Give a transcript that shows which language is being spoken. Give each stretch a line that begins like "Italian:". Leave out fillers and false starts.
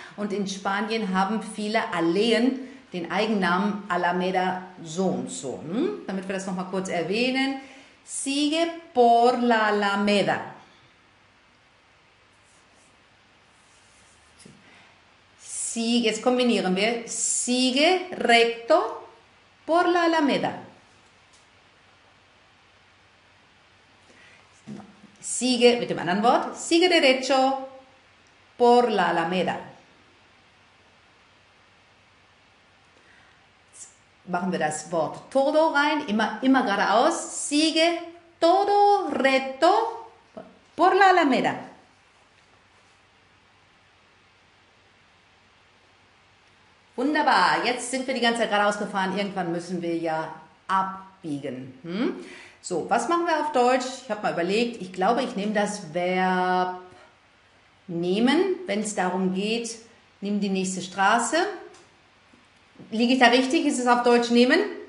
German: Und in Spanien haben viele Alleen den Eigennamen Alameda so und so. Damit wir das nochmal kurz erwähnen.
Spanish: Sigue por la Alameda. Sigue,
German: jetzt kombinieren wir.
Spanish: Sigue recto por la Alameda. Sigue,
German: mit dem anderen Wort,
Spanish: sigue derecho por la Alameda.
German: Jetzt machen wir das Wort todo rein, immer geradeaus.
Spanish: Sigue todo recto por la Alameda.
German: Wunderbar, jetzt sind wir die ganze Zeit geradeaus gefahren, irgendwann müssen wir ja abbiegen. So, was machen wir auf Deutsch? Ich habe mal überlegt, ich glaube, ich nehme das Verb nehmen, wenn es darum geht, nimm die nächste Straße. Liege ich da richtig? Ist es auf Deutsch nehmen?